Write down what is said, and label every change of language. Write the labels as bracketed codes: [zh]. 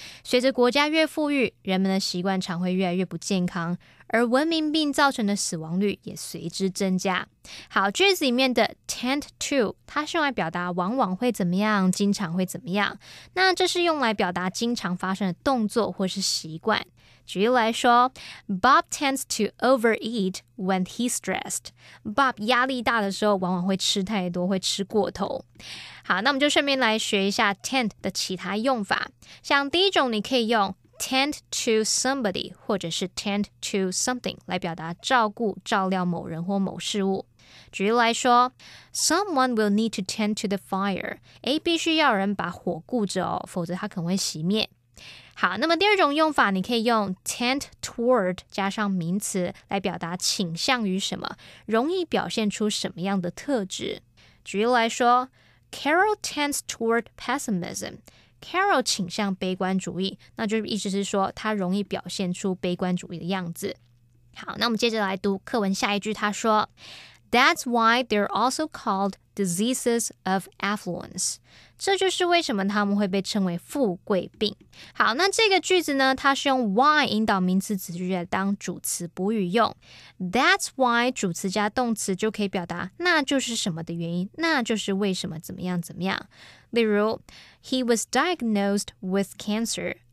[zh] 随着国家越富裕，人们的习惯常会越来越不健康，而文明病造成的死亡率也随之增加。好，句子里面的 tend to 它是用来表达往往会怎么样，经常会怎么样。那这是用来表达经常发生的动作或是习惯。举例来说 [en] ，Bob tends to overeat when he's stressed. [zh] Bob 压力大的时候，往往会吃太多，会吃过头。好，那我们就顺便来学一下 tend 的其他用法。像第一种，你可以用 tend to somebody 或者是 tend to something 来表达照顾、照料某人或某事物。举例来说 [en] ，Someone will need to tend to the fire. [zh] 哎，必须要人把火顾着哦，否则它可能会熄灭。好，那么第二种用法，你可以用 tend toward 加上名词来表达倾向于什么，容易表现出什么样的特质。举例来说 [en] ，Carol tends toward pessimism. [zh] Carol 倾向悲观主义，那就意思是说他容易表现出悲观主义的样子。好，那我们接着来读课文下一句，他说 [en] That's why they're also called diseases of affluence. [zh] 这就是为什么他们会被称为富贵病。好，那这个句子呢，它是用 why 引导名词子句当主词补语用。 That's why 主词加动词就可以表达那就是什么的原因，那就是为什么怎么样怎么样。例如 [en] ,He was diagnosed with cancer.